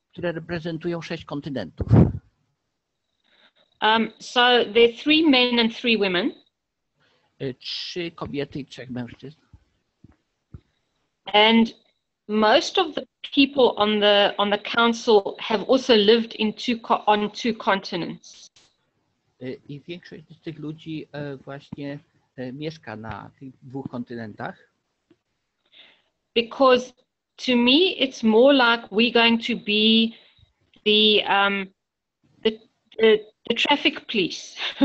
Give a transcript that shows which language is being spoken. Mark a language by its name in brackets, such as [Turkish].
[Polish] Które reprezentują sześć kontynentów. [English] So there are three men and three women. [Polish] Trzy kobiety i trzech mężczyzn. [English] And most of the people on the council have also lived in two continents. [Polish] I większość z tych ludzi właśnie mieszka na tych dwóch kontynentach. [English] Because to me it's more like we're going to be the traffic police.